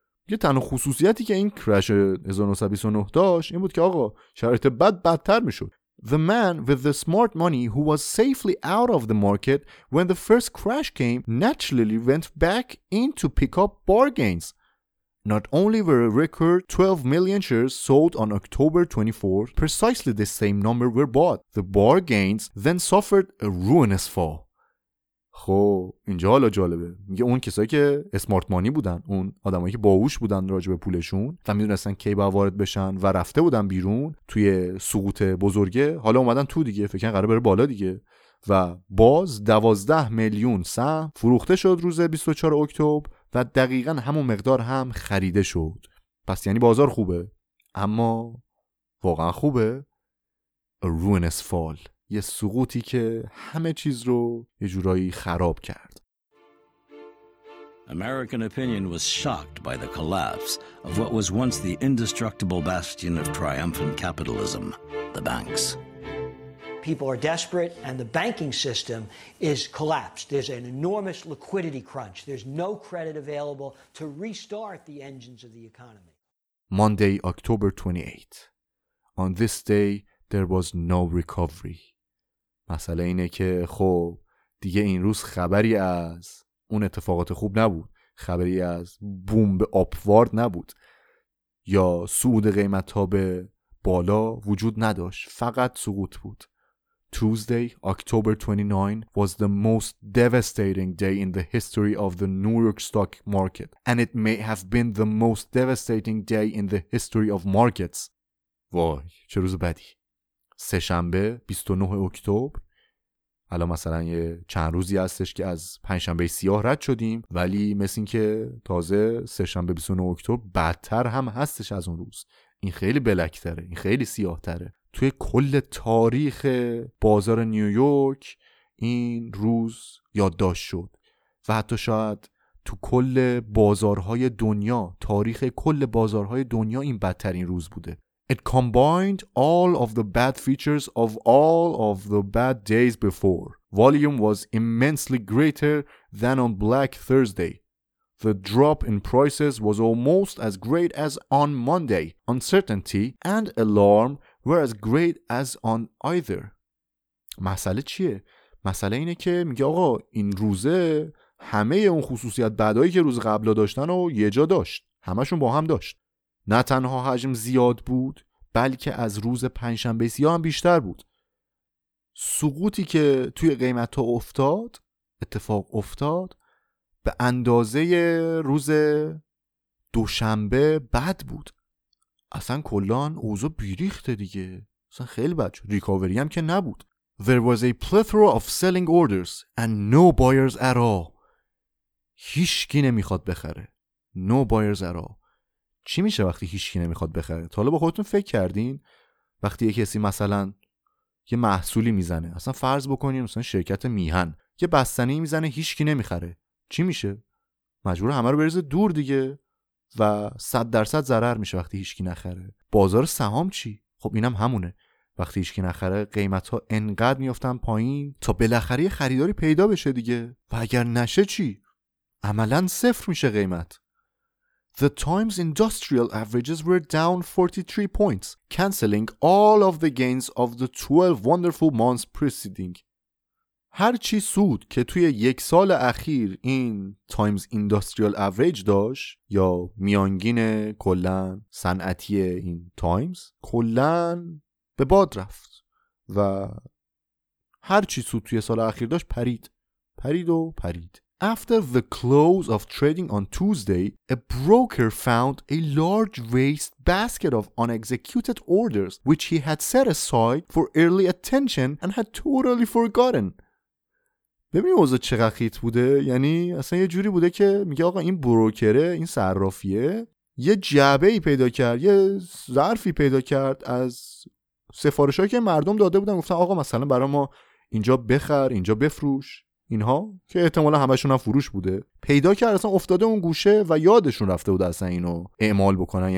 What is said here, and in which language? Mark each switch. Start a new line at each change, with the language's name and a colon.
Persian: یه تنها خصوصیتی که این کرش 1929 داشت این بود که آقا شرایط بد بدتر میشد.
English: The man with the smart money who was safely out of the market when the first crash came naturally went back in to pick up bargains. Not only were a record 12 million shares sold on October 24, precisely the same number were bought. The bargains then suffered a ruinous fall.
Persian: خب اینجا حالا جالبه، میگه اون کسایی که اسمارت مانی بودن، اون آدمایی که باهوش بودن راجع به پولشون و میدونستن کی با وارد بشن و رفته بودن بیرون توی سقوط بزرگه، حالا اومدن تو دیگه، فکر کردن قرار بره بالا دیگه. و باز 12 میلیون سهم فروخته شد روز 24 اکتبر و دقیقا همون مقدار هم خریده شد. پس یعنی بازار خوبه، اما واقعا خوبه؟
English: A ruinous fall.
Persian: یه سقوطی که همه چیز رو یه جورایی خراب کرد.
English: American opinion was shocked by the collapse of what was once the indestructible bastion of triumphant capitalism, the banks. People are desperate and the banking system is collapsed. There's an enormous liquidity crunch. There's no credit available to restart the engines of the economy. Monday, October 28. On this day there was no recovery.
Persian: مسئله اینه که خب دیگه این روز خبری از اون اتفاقات خوب نبود، خبری از بومب آپوارد نبود یا صعود قیمت ها به بالا وجود نداشت، فقط سقوط بود.
English: Tuesday, October 29 was the most devastating day in the history of the New York stock market, and it may have been the most devastating day in the history of markets.
Persian: وای چه روز بدی. سه‌شنبه 29 اکتبر، الان مثلا یه چند روزی هستش که از پنجشنبه سیاه رد شدیم، ولی مثل این که تازه سه‌شنبه 29 اکتبر بدتر هم هستش از اون روز. این خیلی بلکتره، این خیلی سیاه‌تره. توی کل تاریخ بازار نیویورک این روز یادداشت شد و حتی شاید تو کل بازارهای دنیا، تاریخ کل بازارهای دنیا این بدترین روز بوده.
English: It combined all of the bad features of all of the bad days before. Volume was immensely greater than on Black Thursday. The drop in prices was almost as great as on Monday. Uncertainty and alarm were as great as on either.
Persian: مسئله چیه؟ مسئله اینه که میگه آقا این روزه همه اون خصوصیت بدایی که روز قبل داشتن رو یه جا داشت. همشون با هم داشت. نه تنها حجم زیاد بود، بلکه از روز پنجشنبه سیاه هم بیشتر بود. سقوطی که توی قیمت ها افتاد، اتفاق افتاد، به اندازه روز دوشنبه بد بود. اصلا کلان اوضاع بیریخته دیگه، اصلا خیلی بد شد. ریکاوری هم که نبود.
English: There was a plethora of selling orders and no buyers at all.
Persian: هیچکی نمیخواد بخره.
English: No buyers at all.
Persian: چی میشه وقتی هیچکی نمیخواد بخره؟ تا حالا با خودتون فکر کردین وقتی یه کسی مثلا یه محصولی میزنه، اصلا فرض بکنین مثلا شرکت میهن یه بستنی میزنه هیچکی نمیخره، چی میشه؟ مجبور همه رو بریزه دور دیگه و 100% ضرر میشه وقتی هیچکی نخره. بازار سهام چی؟ خب اینم همونه، وقتی هیچکی نخره قیمت ها انقدر میافتن پایین تا بالاخره یه خریداری پیدا بشه دیگه، و اگر نشه چی؟ عملا صفر میشه قیمت.
English: The Times industrial averages were down 43 points, cancelling all of the gains of the 12 wonderful months preceding.
Persian: هر چی سود که توی یک سال اخیر این Times industrial average داشت یا میانگین کلاً صنعتی این Times کلاً به باد رفت و هر چی سود توی سال اخیر داشت پرید، پرید و پرید.
English: After the close of trading on Tuesday, a broker found a large waste basket of unexecuted orders which he had set aside for early attention and had totally forgotten.
Persian: ببین اوضاع چقدر خیت بوده؟ یعنی اصلا یه جوری بوده که میگه آقا این بروکره، این صرافیه یه جعبه‌ای پیدا کرد، یه ظرفی پیدا کرد از سفارشایی که مردم داده بودن، گفتن آقا مثلا برای ما اینجا بخر، اینجا بفروش، اینها که احتمالا همشون هم فروش بوده، پیدا کرد اصلا افتاده اون گوشه و یادشون رفته بود اصلا اینو اعمال بکنن.